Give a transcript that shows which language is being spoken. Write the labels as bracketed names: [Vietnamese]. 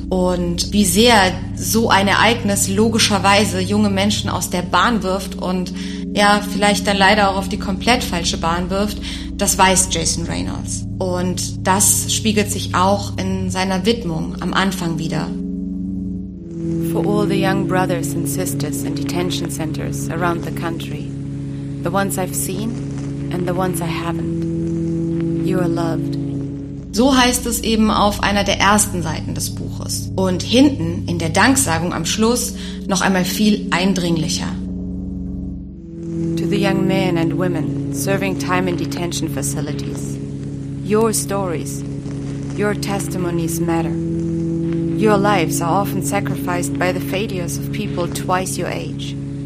[German] Und wie sehr so ein Ereignis logischerweise junge Menschen aus der Bahn wirft und ja, vielleicht dann leider auch auf die komplett falsche Bahn wirft, das weiß Jason Reynolds. Und das spiegelt sich auch in seiner Widmung am Anfang wieder. [English] For all the young brothers and sisters in detention centers around the country, the ones I've seen and the ones I haven't, you are loved. [German] So heißt es eben auf einer der ersten Seiten des Buches. Und hinten, in der Danksagung am Schluss, noch einmal viel eindringlicher. [English] To the young men and women serving time in detention facilities. Your stories, your testimonies matter. Your lives are often sacrificed by the failures of people twice your age.